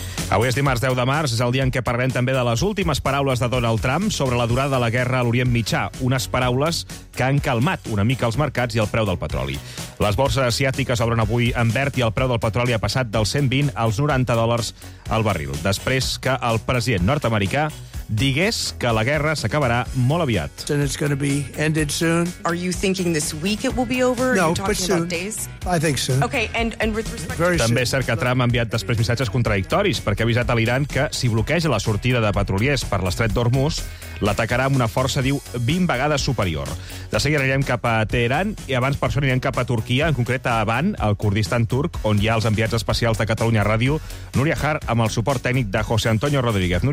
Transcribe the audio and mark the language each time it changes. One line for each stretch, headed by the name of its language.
Catalan: Avui és dimarts 10 de març, és el dia en què parlem també de les últimes paraules de Donald Trump sobre la durada de la guerra a l'Orient Mitjà, unes paraules que han calmat una mica els mercats i el preu del petroli. Les borses asiàtiques obren avui en verd i el preu del petroli ha passat dels 120 als 90 dòlars al barril, després que el president nord-americà digués que la guerra s'acabarà molt aviat.
English: And it's going to be ended soon. Are you thinking this week it will be over? No, but soon. About days? I think so. Okay, and with respect to...
Catalan: També és cert que Trump ha enviat després missatges contradictoris perquè ha avisat a l'Iran que si bloqueja la sortida de petroliers per l'estret d'Hormuz, l'atacarà amb una força, diu, 20 vegades superior. De seguida anirem cap a Teheran i abans per això anirem cap a Turquia, en concret a Aban, al Kurdistan turc, on hi ha els enviats especials de Catalunya Ràdio, Núria Har, amb el suport tècnic de José Antonio Rodríguez.